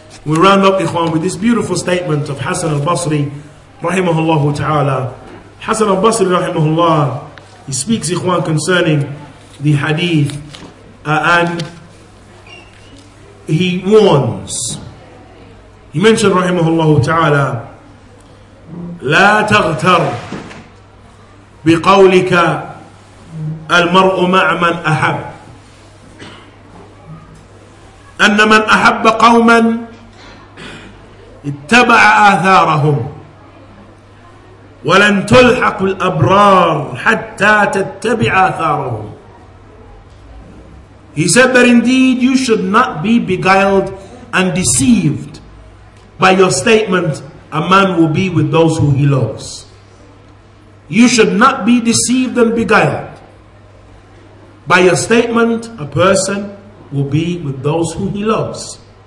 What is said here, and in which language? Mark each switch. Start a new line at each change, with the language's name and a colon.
English: We round up, ikhwan, with this beautiful statement of Hassan al-Basri, rahimahullah ta'ala. Hassan al-Basri, rahimahullah, he speaks, ikhwan, concerning the hadith, and he warns. He mentioned,
Arabic: rahimahullah ta'ala, لا تغتر بقولك المرء مع من أحب أن من أحب قوما اتبع آثارهم ولن تلحق الأبرار حتى تتبع آثارهم.
English: He said that indeed you should not be beguiled and deceived by your statement, a man will be with those who he loves. You should not be deceived and beguiled by your statement, a person will be with those who he loves.